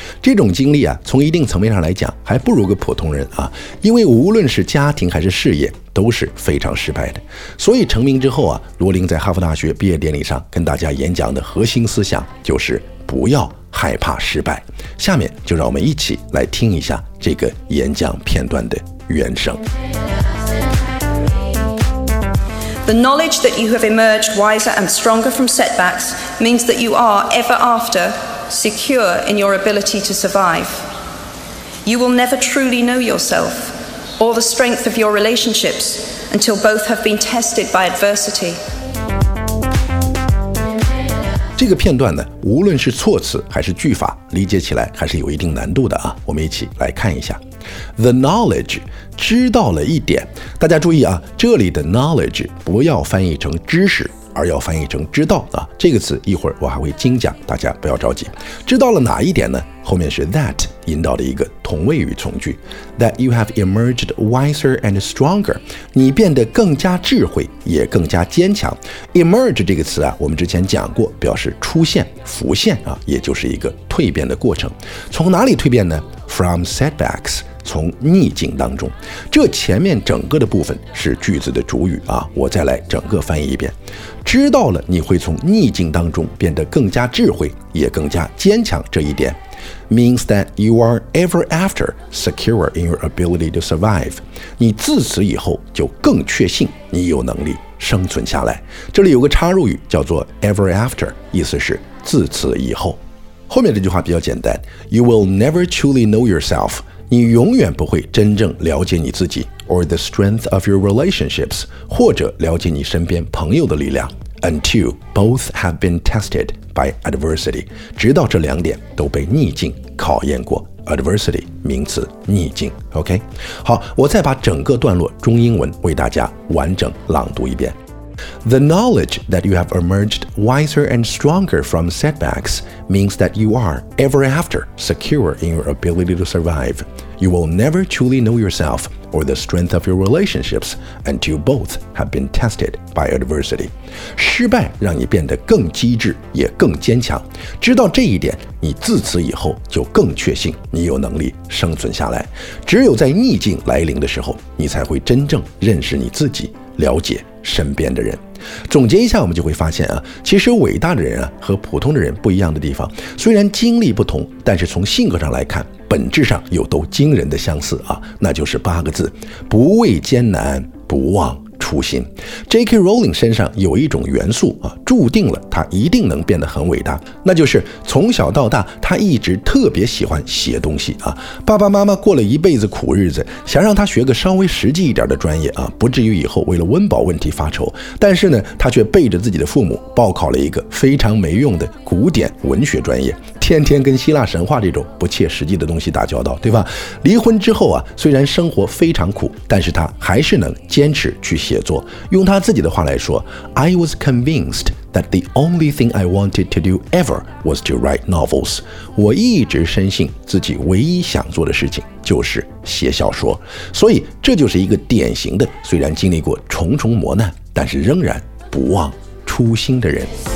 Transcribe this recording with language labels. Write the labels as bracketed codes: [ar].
[zh] 这种经历啊，从一定层面上来讲，还不如个普通人啊，因为无论是家庭还是事业，都是非常失败的。所以成名之后啊，罗琳在哈佛大学毕业典礼上跟大家演讲的核心思想就是不要害怕失败。下面就让我们一起来听一下这个演讲片段的原声。 [en] The knowledge that you have emerged wiser and stronger from setbacks means that you are ever after secure in your ability to survive. You will never truly know yourself. Or the strength of your relationships until both have been tested by adversity. [zh] 这个片段呢，无论是措辞还是句法，理解起来还是有一定难度的啊。我们一起来看一下。 [en] The knowledge, [zh] 知道了一点。大家注意啊，这里的 knowledge 不要翻译成知识，而要翻译成知道啊。这个词一会儿我还会精讲，大家不要着急。知道了哪一点呢？后面是 that 引导的一个同位语从句 ， [en] that you have emerged wiser and stronger， [zh] 你变得更加智慧，也更加坚强。 emerge 这个词啊，我们之前讲过，表示出现、浮现啊，也就是一个蜕变的过程。从哪里蜕变呢 ？ [en] From setbacks， [zh] 从逆境当中。这前面整个的部分是句子的主语啊，我再来整个翻译一遍。知道了你会从逆境当中变得更加智慧，也更加坚强这一点。 [en] Means that you are ever after secure in your ability to survive. [zh] 你自此以后就更确信你有能力生存下来。这里有个插入语叫做 [en] ever after， [zh] 意思是自此以后。后面这句话比较简单， [en] You will never truly know yourself. [zh] 你永远不会真正了解你自己， [en] or the strength of your relationships， [zh] 或者了解你身边朋友的力量。 [en] Until both have been tested by adversity， [zh] 直到这两点都被逆境考验过。 Adversity 名词，逆境。 OK， 好，我再把整个段落中英文为大家完整朗读一遍。 [en] The knowledge that you have emerged wiser and stronger from setbacks means that you are ever after secure in your ability to survive. You will never truly know yourself or the strength of your relationships until both have been tested by adversity. [zh] 失败让你变得更机智，也更坚强。知道这一点，你自此以后就更确信你有能力生存下来。只有在逆境来临的时候，你才会真正认识你自己，了解身边的人。总结一下，我们就会发现啊，其实伟大的人啊和普通的人不一样的地方，虽然经历不同，但是从性格上来看，本质上有都惊人的相似啊，那就是8个字：不畏艰难，不忘初心。 J.K. Rowling 身上有一种元素啊，注定了他一定能变得很伟大，那就是从小到大，他一直特别喜欢写东西啊。爸爸妈妈过了一辈子苦日子，想让他学个稍微实际一点的专业啊，不至于以后为了温饱问题发愁。但是呢，他却背着自己的父母报考了一个非常没用的古典文学专业，天天跟希腊神话这种不切实际的东西打交道，对吧？离婚之后啊，虽然生活非常苦，但是他还是能坚持去写作。用他自己的话来说 [en] ，I was convinced that the only thing I wanted to do ever was to write novels. [zh] 我一直深信自己唯一想做的事情就是写小说。所以这就是一个典型的，虽然经历过重重磨难，但是仍然不忘初心的人。